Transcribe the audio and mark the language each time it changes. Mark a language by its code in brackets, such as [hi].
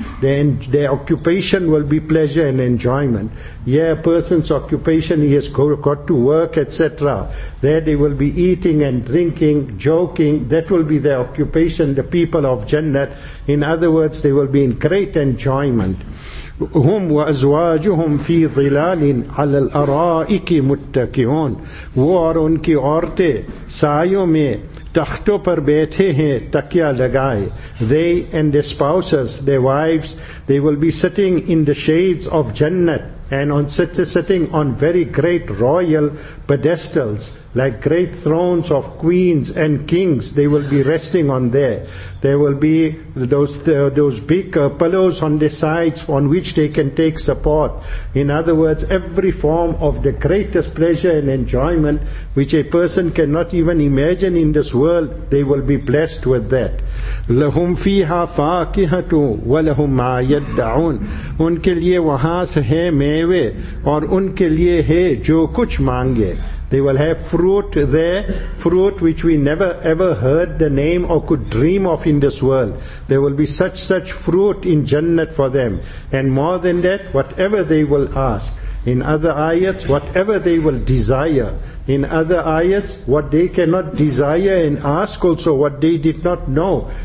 [en] Then their occupation will be pleasure and enjoyment. Yeah, a person's occupation, he has got to work, etc. There they will be eating and drinking, joking. That will be their occupation, the people of Jannat. In other words, they will be in great enjoyment. [ar] هم وأزواجهم في ظلال على الأرائك متكئون. [ur] وہ اور ان کی عورتیں سایوں میں تختوں پر بیٹھے ہیں تکیہ لگائے. [en] They and their spouses, their wives, they will be sitting in the shades of Jannat and on sitting on very great royal pedestals, like great thrones of queens and kings, they will be resting on there. There will be those big pillows on the sides on which they can take support. In other words, every form of the greatest pleasure and enjoyment which a person cannot even imagine in this world, they will be blessed with that. [ar] لَهُمْ فِيهَا فَاكِهَةُ وَلَهُمْ مَا يَدَّعُونَ. [ur] ان کے لئے وہاں سے ہے میوے اور ان کے لئے ہے جو کچھ مانگے. [en] They will have fruit there, fruit which we never ever heard the name or could dream of in this world. There will be such fruit in Jannat for them. And more than that, whatever they will ask. In other ayats, whatever they will desire. In other ayats, what they cannot desire and ask also, what they did not know.